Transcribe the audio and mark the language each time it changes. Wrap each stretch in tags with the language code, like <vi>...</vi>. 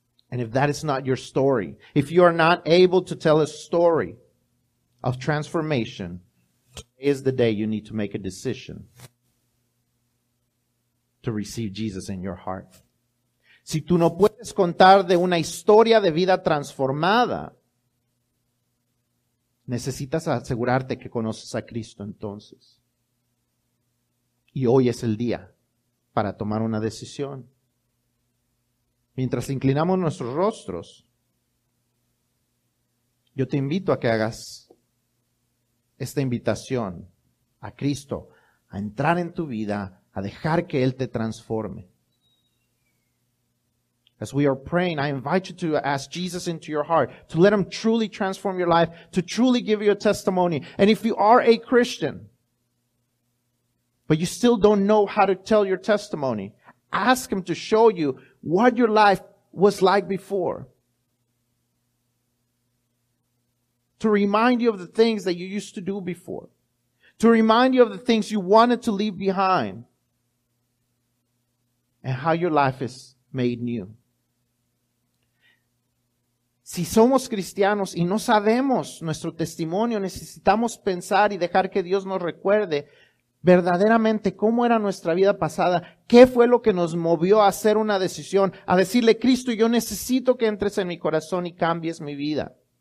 <en>And if that is not your story, if you are not able to tell a story of transformation, today is the day you need to make a decision to receive Jesus in your heart.</en> <es>Si tú no puedes contar de una historia de vida transformada, necesitas asegurarte que conoces a Cristo entonces. Y hoy es el día para tomar una decisión. Mientras inclinamos nuestros rostros, yo te invito a que hagas esta invitación a Cristo, a entrar en tu vida, a dejar que Él te transforme.</es> <en>As we are praying, I invite you to ask Jesus into your heart, to let Him truly transform your life, to truly give you a testimony. And if you are a Christian, but you still don't know how to tell your testimony, ask Him to show you what your life was like before. To remind you of the things that you used to do before. To remind you of the things you wanted to leave behind. And how your life is made new.</en> <es>Si somos cristianos y no sabemos nuestro testimonio, necesitamos pensar y dejar que Dios nos recuerde verdaderamente, ¿cómo era nuestra vida pasada? ¿Qué fue lo que nos movió a hacer una decisión? A decirle, Cristo, yo necesito que entres en mi corazón y cambies mi vida.</es>